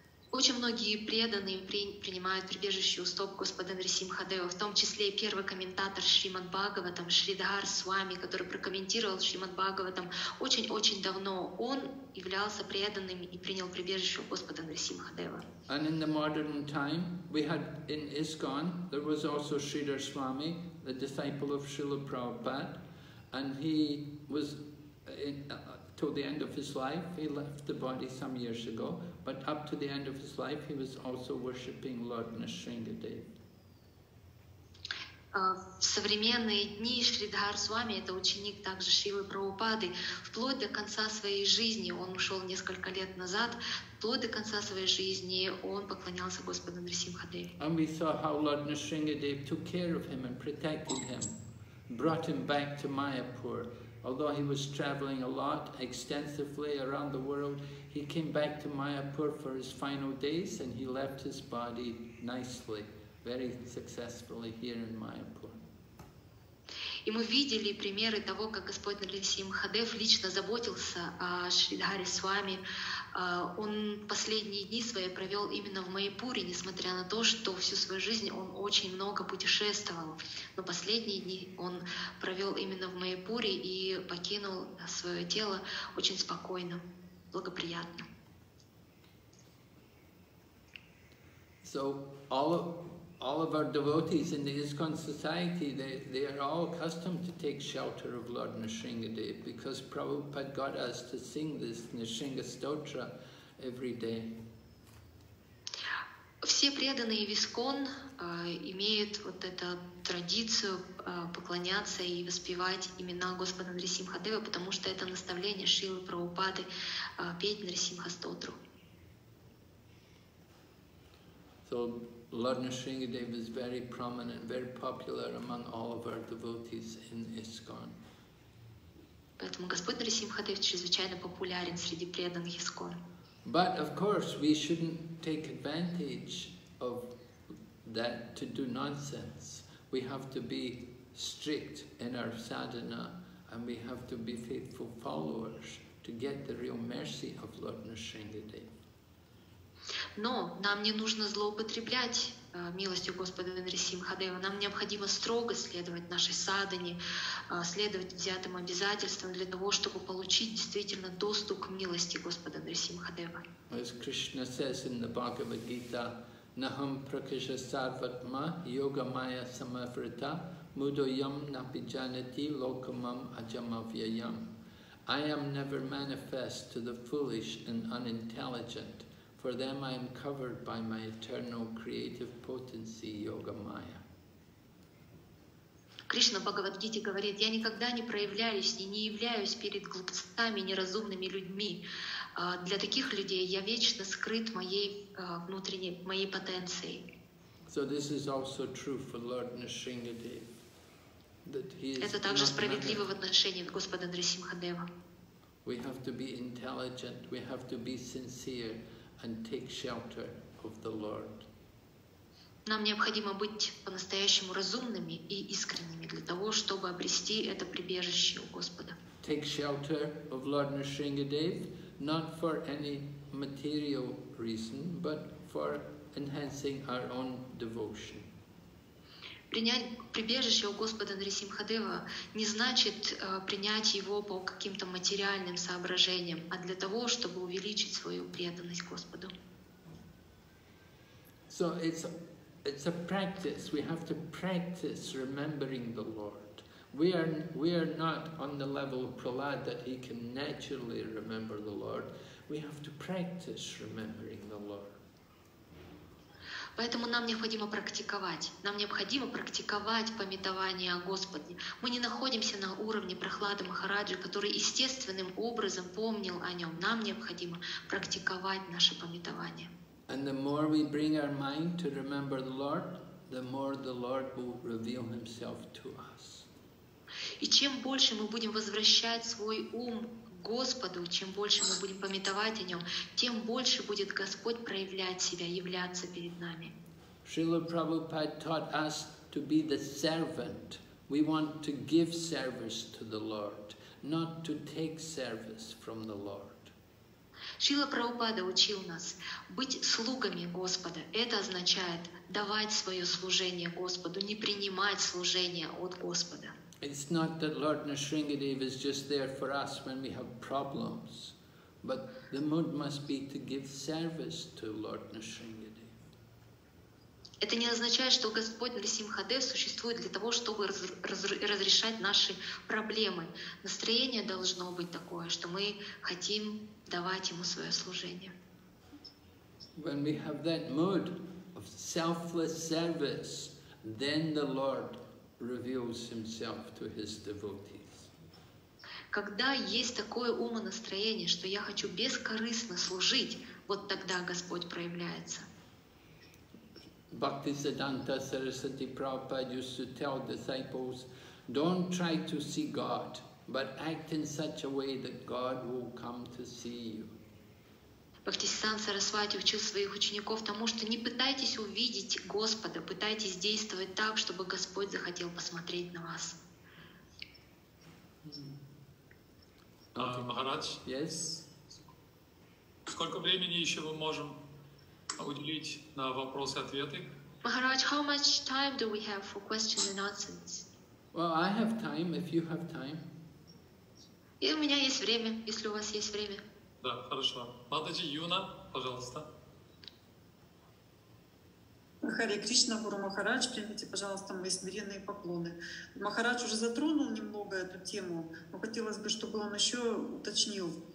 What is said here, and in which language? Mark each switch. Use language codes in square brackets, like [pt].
[ru] Очень многие преданные принимают прибежище у стоп Господа Нрисимхадева, в том числе и первый комментатор Шримад Бхагаватам, Шридхар Свами, который прокомментировал Шримад Бхагаватам очень-очень давно. Он являлся преданным и принял прибежище у Господа Нрисимхадева. [en] And in the modern time, we had in ISKCON, there was also Sridhar Swami, the disciple of Srila Prabhupada, and he was till the end of his life, he left the body some years ago, but up to the end of his life, he was also worshipping Lord Nrisimhadev. [ru] В современные дни Шридхар Свами, это ученик также Шивы Прабхупады, вплоть до конца своей жизни, он ушел несколько лет назад, вплоть до конца своей жизни он поклонялся Господу Нрисимхадеве. [en] And we saw how Lord Nrisimhadev took care of him and protected him, brought him back to Mayapur. Although he was traveling a lot, extensively around the world, he came back to Mayapur for his final days and he left his body nicely, very successfully here in Mayapur. [ru] И мы видели примеры того, как Господь Нрисимхадев лично заботился о Шридхаре Свами. Он последние дни свои провел именно в Майяпуре, несмотря на то, что всю свою жизнь он очень много путешествовал. Но последние дни он провел именно в Майяпуре и покинул свое тело очень спокойно, благоприятно. [en] So all of our devotees in the ISKCON society, they are all accustomed to take shelter of Lord Nrisimhadev because Prabhupada got us to sing this Nrisimha Stotra every day. [ru] все преданные в ИСККОН имеют вот эту традицию поклоняться и воспевать имена Господа Нарисимхадева, потому что это наставление Шрилы Прабхупады петь Нарисимхастотру. [en] So Lord Nrisimhadev is very prominent, very popular among all of our devotees in ISKCON. [ru] Поэтому Господь Нарисимхадев чрезвычайно популярен среди преданных ИСККОН. [en] But of course we shouldn't take advantage of that to do nonsense. We have to be strict in our sadhana and we have to be faithful followers to get the real mercy of Lord Nrisimhadev. [ru] Но нам не нужно злоупотреблять милостью Господа Нрисимхадева. Нам необходимо строго следовать нашей садхане, следовать взятым обязательствам для того, чтобы получить действительно доступ к милости Господа Нрисимхадева. [en] As Krishna says in the Bhagavad Gita, [sa] Naham prakasha sarvatma yoga maya samavrita mudoyam napijanati lokamam ajamavyayam. [en] I am never manifest to the foolish and unintelligent. For them I am covered by my eternal creative potency, Yoga Maya. [ru] Кришна Бхагавад Гите говорит, я никогда не проявляюсь и не являюсь перед глупцами, неразумными людьми. Для таких людей я вечно скрыт моей внутренней, моей потенцией. [en] So this is also true for Lord Nrisimhadev, that he is. [ru] Это также справедливо в отношении Господа Нрисимхадева. [en] We have to be intelligent, we have to be sincere. And take shelter of the Lord. [ru] Нам необходимо быть по-настоящему разумными и искренними для того, чтобы обрести это прибежище у Господа. [en] Take shelter of Lord Nrisimhadev, not for any material reason, but for enhancing our own devotion. [ru] Принять прибежище у Господа Нрисимхадева не значит принять его по каким-то материальным соображениям, а для того, чтобы увеличить свою преданность Господу. [en] So it's a practice. We have to practice remembering the Lord. We are not on the level of Prahlad that he can naturally remember the Lord. We have to practice remembering the Lord. [ru] Поэтому нам необходимо практиковать. Нам необходимо практиковать памятование о Господе. Мы не находимся на уровне Прахлады Махараджи, который естественным образом помнил о нем. Нам необходимо практиковать наше памятование. [en] And the more we bring our mind to remember the more the Lord will reveal himself to us. [ru] И чем больше мы будем возвращать свой ум Господу, чем больше мы будем памятовать о нем, тем больше будет Господь проявлять себя, являться перед нами. [en] Шрила Прабхупада taught us to be the servant. We want to give service to the Lord, not to take service from the Lord. [ru] Шрила Прабхупада учил нас быть слугами Господа. Это означает давать свое служение Господу, не принимать служение от Господа. [en] It's not that Lord Nrisimhadev is just there for us when we have problems, but the mood must be to give service to Lord Nrisimhadev. [ru] Это не означает, что Господь Нрисимхадев существует для того, чтобы разрешать наши проблемы. Настроение должно быть такое, что мы хотим давать ему свое служение. [en] When we have that mood of selfless service, then the Lord reveals himself to his devotees. [ru] Когда есть такое умонастроение, что я хочу бескорыстно служить, вот тогда Господь проявляется. [en] Bhaktisiddhanta Sarasvati Prabhupada used to tell disciples, don't try to see God, but act in such a way that God will come to see you. [ru] Бхактисиддханта Сарасвати учил своих учеников тому, что не пытайтесь увидеть Господа, пытайтесь действовать так, чтобы Господь захотел посмотреть на вас. Махарадж, [en] yes? [ru] Сколько времени еще мы можем уделить на вопросы и ответы? [en] Махарадж, how much time do we have for questions and answers? Well, I have time, if you have time. [ru] И у меня есть время, если у вас есть время. Да, хорошо. Матаджи Юна, пожалуйста. Хари Кришна, Гуру Махарадж, примите, пожалуйста, мои смиренные поклоны. Махарадж уже затронул немного эту тему, но хотелось бы, чтобы он еще уточнил.